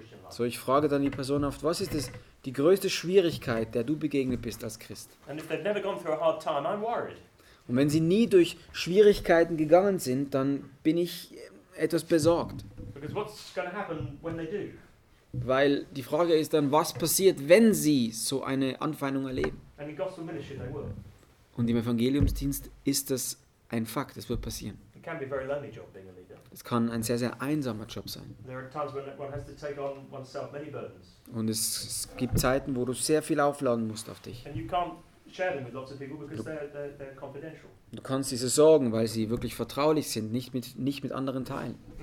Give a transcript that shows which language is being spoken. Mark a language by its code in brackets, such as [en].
[de] So, ich frage dann die Person oft, was ist die größte Schwierigkeit, der du begegnet bist als Christ? Und wenn sie nie durch Schwierigkeiten gegangen sind, dann bin ich etwas besorgt. [en] Because what's gonna happen when they do? [de] Weil die Frage ist dann, was passiert, wenn sie so eine Anfeindung erleben? [en] And in gospel ministry they will. [de] Und im Evangeliumsdienst ist das ein Fakt, es wird passieren. [en] It can be a very lonely job being a leader. [de] Es kann ein sehr, sehr einsamer Job sein. [en] There are times when one has to take on oneself many burdens. [de] Und es gibt Zeiten, wo du sehr viel aufladen musst auf dich. [en] And you can't share them with lots of people because they're confidential. [de] Du kannst diese Sorgen, weil sie wirklich vertraulich sind, nicht mit anderen teilen.